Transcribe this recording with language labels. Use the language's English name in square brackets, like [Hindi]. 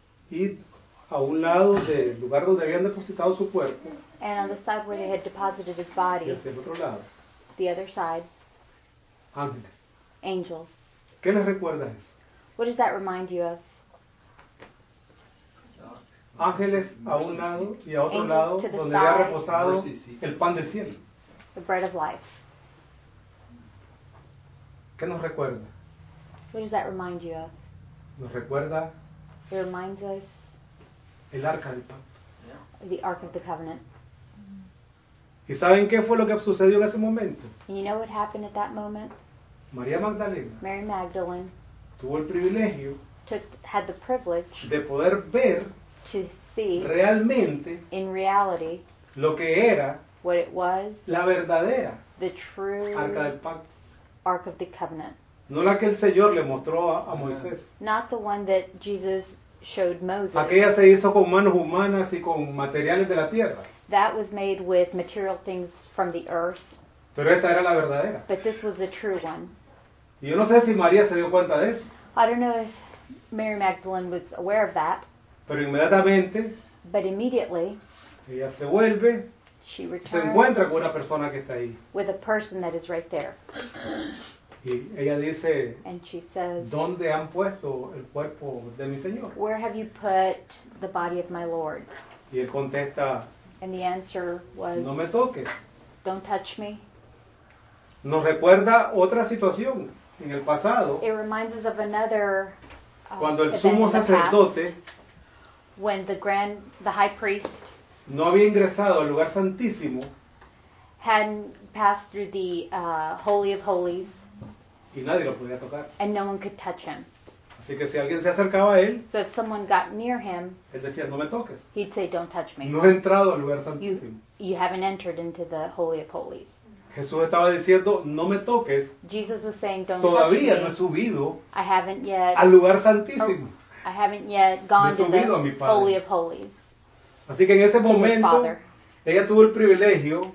[Spanish] Y a un lado del lugar donde habían depositado su cuerpo. [English] And on the side where they had deposited his body. [Spanish] Y hacia el otro lado. [English] The other side. [Spanish] Ángeles. [English] Angels. [Spanish] ¿Qué les recuerda eso? [English] What does that remind you of? [Spanish] Ángeles a un lado y a otro lado donde había reposado el pan del cielo. [English] The bread of life. [Spanish] ¿Qué nos recuerda? [English] What does that remind you of? [Spanish] Nos recuerda. [English] It reminds us. [Spanish] El arca del pacto. [English] Yeah. The ark of the covenant. [Spanish] ¿Y saben qué fue lo que sucedió en ese momento? [English] And you know what happened at that moment? [Spanish] María Magdalena. [English] Mary Magdalene. [Spanish] Tuvo el privilegio. [English] Had the privilege. [Spanish] De poder ver. [English] To see. [Spanish] Realmente. [English] In reality. [Spanish] Lo que era. [English] What it was. [Spanish] La verdadera. [English] The true. [Spanish] Arca del pacto. [English] Ark of the covenant. [Spanish] No la que el Señor le mostró a Moisés. [English] Not the one that Jesus showed Moses. [Spanish] Aquella se hizo con manos humanas y con materiales de la tierra. [English] That was made with material things from the earth. [Spanish] Pero esta era la verdadera. [English] But this was the true one. [Spanish] Y yo no sé si María se dio cuenta de eso. [English] I don't know if Mary Magdalene was aware of that. [Spanish] Pero inmediatamente. [English] But immediately. [Spanish] Ella se vuelve. [English] She returns. [Spanish] Se encuentra con una persona que está ahí. [English] With a person that is right there. [Spanish] Y ella dice. [English] And she says. [Spanish] ¿Dónde han puesto el cuerpo de mi Señor? [English] Where have you put the body of my Lord? [Spanish] Y él contesta. [English] And the answer was. [Spanish] No me toques. [English] Don't touch me. [Spanish] Nos recuerda otra situación en el pasado. [English] It reminds us of another. [Spanish] Cuando el sumo sacerdote. [English] When the high priest. [Spanish] No había ingresado al lugar santísimo. [English] Hadn't passed through the holy of holies. [Spanish] Y nadie lo podía tocar. [English] And no one could touch him. [Spanish] Así que si alguien se acercaba a él. [English] So if someone got near him. [Spanish] Él decía, no me toques. [English] He'd say, don't touch me. [Spanish] No he entrado al lugar santísimo. [English] You haven't entered into the holy of holies. [Spanish] Jesús estaba diciendo, no me toques. [English] Jesus was saying, don't touch me. [Spanish] Todavía no he subido. [English] I haven't yet. [Spanish] Al lugar santísimo. [English] I haven't yet gone to the holy of holies. [Spanish] Así que en ese momento, ella tuvo el privilegio.